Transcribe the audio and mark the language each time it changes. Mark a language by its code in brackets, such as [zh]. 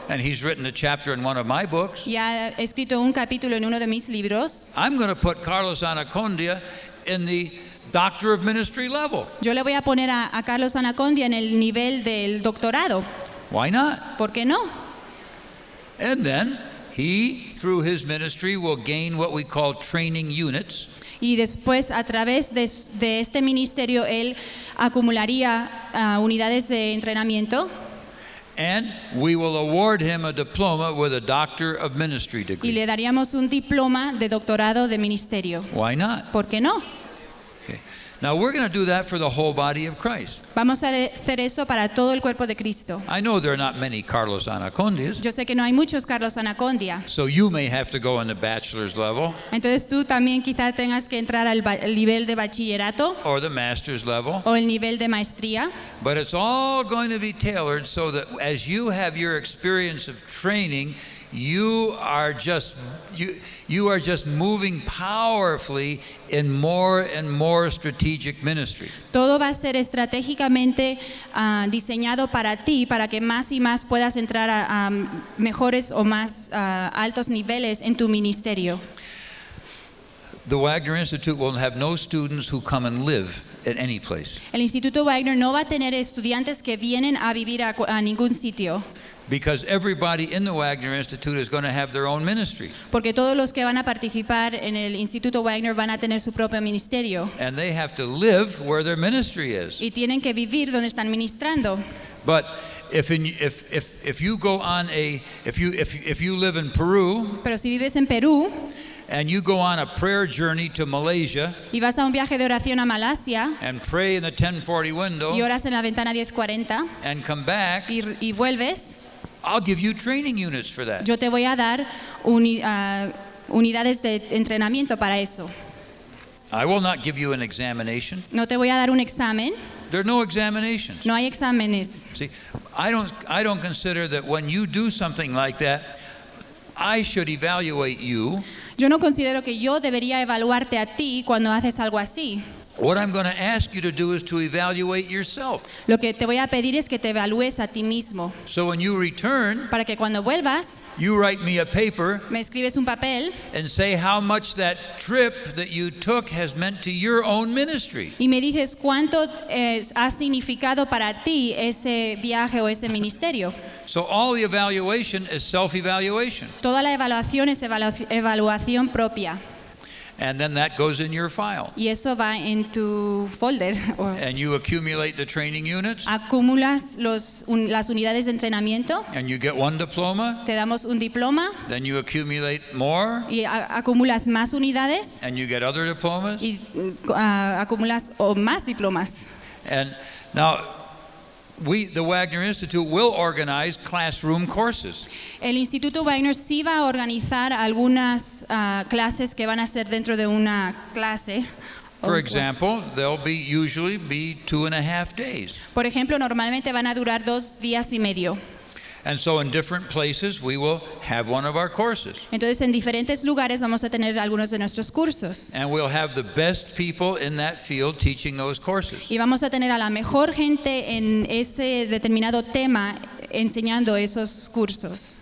[en] And he's written a chapter in one of my books. [es] Y ha escrito un capítulo en uno de mis libros. [en] I'm going to put Carlos Anacondia in the Doctor of Ministry level. [es] Yo le voy a poner a Carlos Anacondia en el nivel del doctorado. [en] Why not? [es] ¿Por qué no? [en] And then he, through his ministry, will gain what we call training units. [es] Y después, a través de este ministerio, él acumularía unidades de entrenamiento. [en] And we will award him a diploma with a Doctor of Ministry degree. [es] Y le daríamos un diploma de doctorado de ministerio. [en] Why not? [es] ¿Por qué no? [en] Now we're going to do that for the whole body of Christ. [es] Vamos a hacer eso para todo el cuerpo de Cristo. [en] I know there are not many Carlos Anacondias. [es] Yo sé que no hay muchos Carlos Anacondia. [en] So you may have to go on the bachelor's level. [es] Entonces tú también quizá tengas que entrar al nivel de bachillerato. [en] Or the master's level. [es] O el nivel de maestría. [en] But it's all going to be tailored so that as you have your experience of training, You are just moving powerfully in more and more strategic ministry. [es] Todo va a ser estratégicamente diseñado para ti, para que más y más puedas entrar a mejores o más altos niveles en tu ministerio. [en] The Wagner Institute will have no students who come and live at any place. [es] El Instituto Wagner no va a tener estudiantes que vienen a vivir a ningún sitio. [en] Because everybody in the Wagner Institute is going to have their own ministry. [es] Porque todos los que van a participar en el Instituto Wagner van a tener su propio ministerio. [en] And they have to live where their ministry is. [es] Y tienen que vivir donde están ministrando. [en] But if you live in Peru. [es] Pero si vives en Perú. [en] And you go on a prayer journey to Malaysia. [es] Y vas a un viaje de oración a Malasia. [en] And pray in the 1040 window. [es] Y oras en la ventana 1040. [en] And come back. [es] Y vuelves. [en] I'll give you training units for that. [es] Yo te voy a dar unidades de entrenamiento para eso. [en] I will not give you an examination. [es] No te voy a dar un examen. [en] There are no examinations. [es] No hay exámenes. [en] See, I don't consider that when you do something like that, I should evaluate you. [es] Yo no considero que yo debería evaluarte a ti cuando haces algo así. [en] What I'm going to ask you to do is to evaluate yourself. [es] Lo que te voy a pedir es que te evalúes a ti mismo. [en] So when you return, [es] para que cuando vuelvas, [en] you write me a paper, [es] me escribes un papel, [en] and say how much that trip that you took has meant to your own ministry. [es] Y me dices cuánto ha significado para ti ese viaje o ese ministerio. [en] So all the evaluation is self-evaluation. [es] Toda la evaluación es evaluación propia. [en] And then that goes in your file. [es] Y eso va en tu folder. [en] And you accumulate the training units. [es] Acumulas las unidades de entrenamiento. [en] And you get one diploma. [es] Te damos un diploma. [en] Then you accumulate more. [es] Y acumulas más unidades. [en] And you get other diplomas. [es] Y acumulas más diplomas. [en] And now we, the Wagner Institute, will organize classroom courses. [es] El Instituto Wagner sí va a organizar algunas clases que van a ser dentro de una clase. [en] For example, they'll usually be 2.5 days. [es] Por ejemplo, normalmente van a durar 2 días y medio. [en] And so in different places we will have one of our courses. [es] Entonces en diferentes lugares vamos a tener algunos de nuestros cursos. [en] And we'll have the best people in that field teaching those courses. [es] Y vamos a tener a la mejor gente en ese determinado tema enseñando esos cursos.